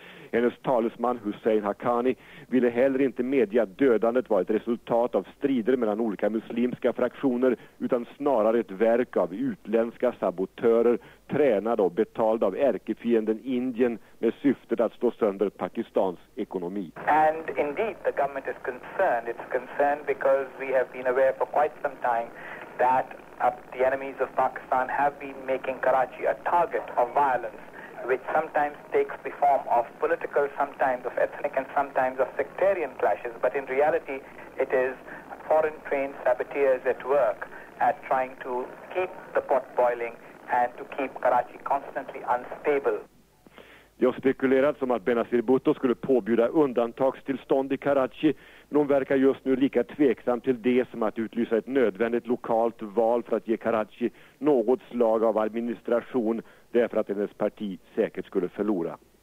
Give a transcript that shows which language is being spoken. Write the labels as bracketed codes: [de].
[sv] Hennes talesman Hussein Haqqani ville heller inte medge att dödandet var ett resultat av strider mellan olika muslimska fraktioner utan snarare ett verk av utländska sabotörer tränade och betalda av ärkefienden Indien med syftet att slå sönder Pakistans ekonomi. [en] And indeed the government is concerned. It's concerned because we have been aware for quite some time that the enemies of Pakistan have been making Karachi a target of violence, which sometimes takes the form of political, sometimes of ethnic, and sometimes of sectarian clashes. But in reality, it is foreign-trained saboteurs at work at trying to keep the pot boiling and to keep Karachi constantly unstable. [sv] Det har spekulerats om att Benazir Bhutto skulle påbjuda undantagstillstånd i Karachi, men hon verkar just nu lika tveksam till det som att utlysa ett nödvändigt lokalt val för att ge Karachi något slag av administration därför att hennes parti säkert skulle förlora.